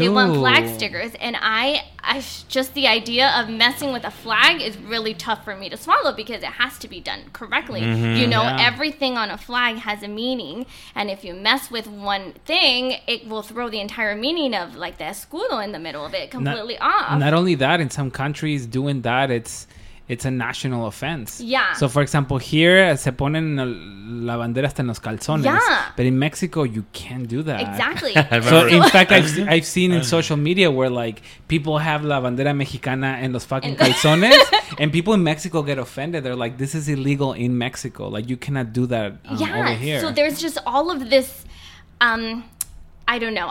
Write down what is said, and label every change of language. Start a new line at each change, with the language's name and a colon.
English: They want flag stickers. And I just the idea of messing with a flag is really tough for me to swallow because it has to be done correctly. Mm-hmm, everything on a flag has a meaning. And if you mess with one thing, it will throw the entire meaning of like the escudo in the middle of it completely off. Not only that, in some countries doing that, it's a national offense. Yeah. So, for example, here,
Spanish: se ponen la bandera hasta en los calzones.
English: Yeah. But in Mexico, you can't do that. Exactly. So, in fact, I've seen in social media where, like, people have
Spanish: la bandera mexicana en los
English: fucking
Spanish: calzones.
English: And people in Mexico get offended. They're like, this is illegal in Mexico. Like, you cannot do that over here. So, there's just all of this, I don't know.